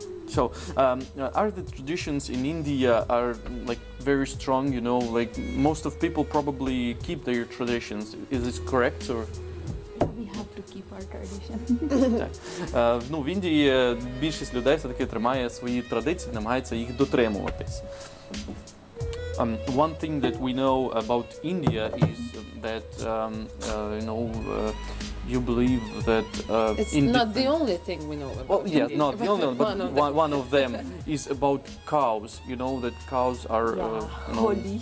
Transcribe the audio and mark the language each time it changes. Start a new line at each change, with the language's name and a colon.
English: So, are the traditions in India are like very strong, you know, like most of people probably keep their traditions. Is this correct or? We have to keep our tradition.
Ukrainian: Ну, в Індії більшість людей все-таки тримає свої традиції, намагається їх дотримуватись.
English: One thing that we know about India is that you know, you believe that it's not the only thing we know about. Well, yeah, India. Not the only one, but one of them is about cows. You know that cows are you know,